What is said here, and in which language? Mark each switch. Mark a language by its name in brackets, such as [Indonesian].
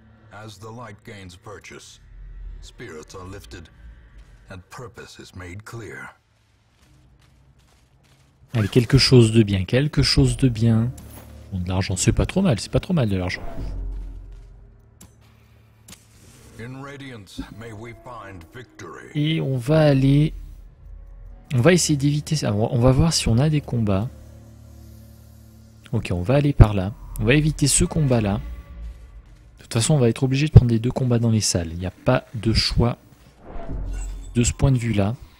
[English] As the light gains purchase, spirits are lifted, and purpose is made clear. [French] Allez, quelque chose de bien. Bon, de l'argent, c'est pas trop mal de l'argent. [English] In radiance, may we find victory. [French] Et on va essayer d'éviter ça. On va voir si on a des combats. Ok, on va aller par là. On va éviter ce combat-là. De toute façon, on va être obligé de prendre les deux combats dans les salles. Il n'y a pas de choix de ce point de vue-là.